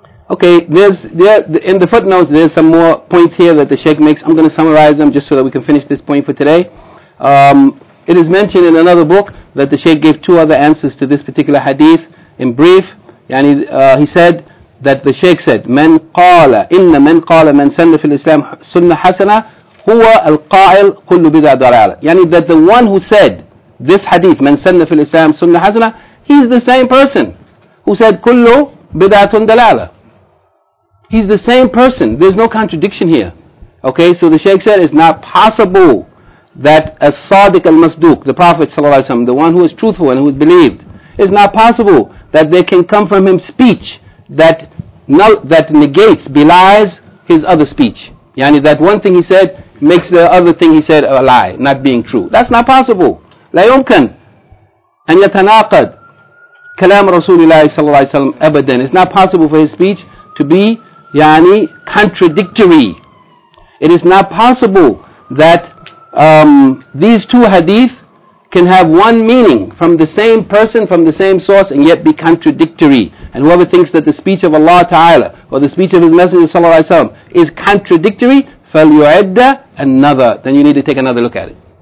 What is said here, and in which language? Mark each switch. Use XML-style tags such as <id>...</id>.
<en>In the footnotes, there's some more points here that the Shaykh makes. I'm going to summarize them just so that we can finish this point for today. It is mentioned in another book that the Shaykh gave two other answers to this particular hadith. In brief, yani, he said, that the Shaykh said,</en> <ar>من قال إن من قال من سن في الإسلام سنة حسنة هو القائل كل بدعة ضلالة.</ar> <en>Yani that the one who said this hadith,</en> <ar>من سن في الإسلام سنة حسنة,</ar> <en>he's the same person who said</en> <ar>كل بدعة ضلالة.</ar> <en>He's the same person. There's no contradiction here. Okay, so the Shaykh said it's not possible that a Sadiq al-Masduq, the Prophet sallallahu alaihi wasallam, the one who is truthful and who is believed, it's not possible that there can come from him speech that negates, belies his other speech. Yani that one thing he said makes the other thing he said a lie, not being true. That's not possible.</en> <ar>لا يمكن أن يتناقض كلام رسول الله صلى الله عليه وسلم أبدا.</ar> <en>It's not possible for his speech to be يعني contradictory. It is not possible that these two hadith can have one meaning from the same person, from the same source, and yet be contradictory. And whoever thinks that the speech of Allah Ta'ala or the speech of His Messenger Sallallahu Alaihi Wasallam is contradictory, فَلْيُعَدَّ another, then you need to take another look at it.</en>